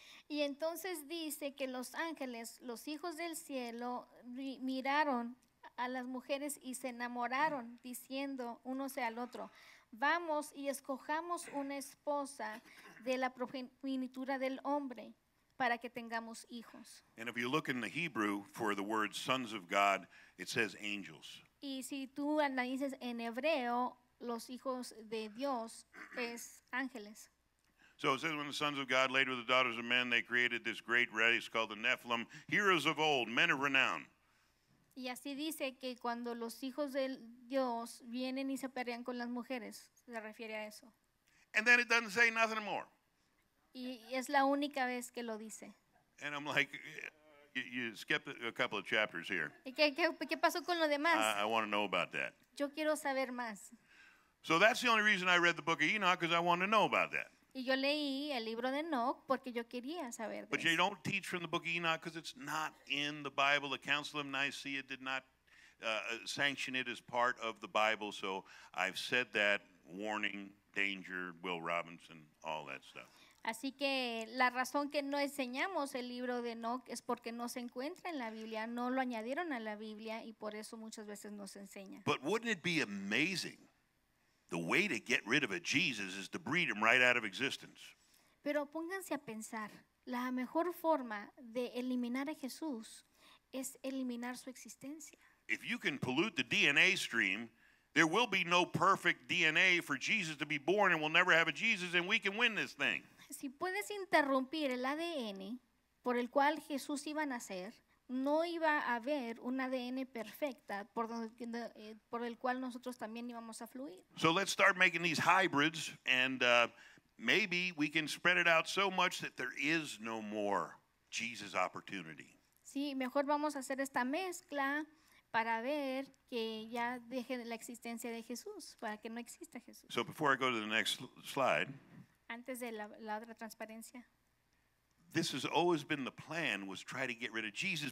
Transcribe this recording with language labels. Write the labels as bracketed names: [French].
[Spanish] Y entonces dice que los ángeles, los hijos del cielo, miraron a las mujeres y se enamoraron, diciendo unos al otro, vamos y escojamos una esposa de la progenitura del hombre para que tengamos hijos. [English] And if you look in the Hebrew for the word sons of God, it says angels. [Spanish] Y si tú analizas en hebreo, los hijos de Dios es ángeles. [English] So it says, when the sons of God laid with the daughters of men, they created this great race called the Nephilim, heroes of old, men of renown. [Spanish] Y así dice que cuando los hijos de Dios vienen y se pelean con las mujeres, se refiere a eso. [English] And then it doesn't say nothing more. [Spanish] Y es la única vez que lo dice. [English] And I'm like, you skipped a couple of chapters here. [Spanish] ¿Y qué pasó con lo demás? [English] I want to know about that. [Spanish] Yo quiero saber más. [English] So that's the only reason I read the Book of Enoch, because I wanted to know about that. [Spanish] Y yo leí el libro de Enoch porque yo quería saber. [English] But you don't teach from the Book of Enoch because it's not in the Bible. The Council of Nicaea did not sanction it as part of the Bible. So I've said that, warning, danger, Will Robinson, all that stuff. [Spanish] Así que la razón que no enseñamos el libro de Enoch es porque no se encuentra en la Biblia, no lo añadieron a la Biblia y por eso muchas veces no se enseña. [English] But wouldn't it be amazing? The way to get rid of a Jesus is to breed him right out of existence. [Spanish] Pero pónganse a pensar, la mejor forma de eliminar a Jesús es eliminar su existencia. [English] If you can pollute the DNA stream, there will be no perfect DNA for Jesus to be born, and we'll never have a Jesus, and we can win this thing. [Spanish] Si puedes interrumpir el ADN por el cual Jesús iba a nacer, no iba a haber un ADN perfecta por el cual nosotros también íbamos a fluir. [English] So let's start making these hybrids, and maybe we can spread it out so much that there is no more Jesus opportunity. [Spanish] Sí, mejor vamos a hacer esta mezcla para ver que ya deje la existencia de Jesús, para que no exista Jesús. [English] So before I go to the next slide. [Spanish] Antes de la otra transparencia. [English] This has always been the plan, was try to get rid of Jesus.